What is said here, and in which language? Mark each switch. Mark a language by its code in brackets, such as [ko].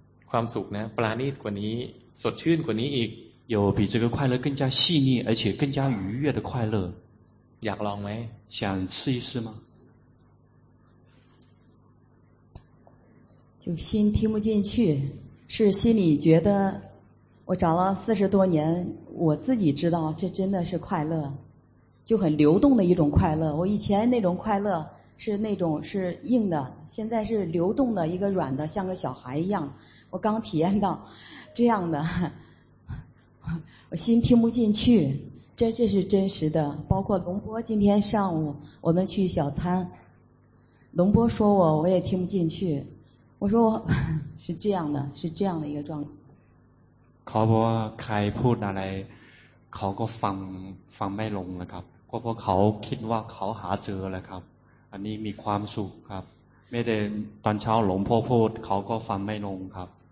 [th] ความสุขนะปราณีตกว่านี้สดชื่นกว่านี้อีก [zh] 有比这个快乐更加细腻而且更加愉悦的快乐 [th] อยากลองไหม [zh] 想试一试吗就心听不进去是心里觉得我找了四十多年我自己知道这真的是快乐就很流动的一种快乐我以前那种快乐是那种是硬的现在是流动的一个软的像个小孩一样我刚体验到这样的我心听不进去这是真实的包括龙波今天上午我们去小餐龙波说我也听不进去我说是这样的是这样的一个状况 [th] เขาบอกว่าใครพูดอะไรเขาก็ฟังไม่ลงนะครับเพราะเขาคิดว่าเขาหาเจอแล้วครับอันนี้มีความสุขครับไม่ได้ตอนเช้าหลวงพ่อพูดเขาก็ฟังไม่ลงครับ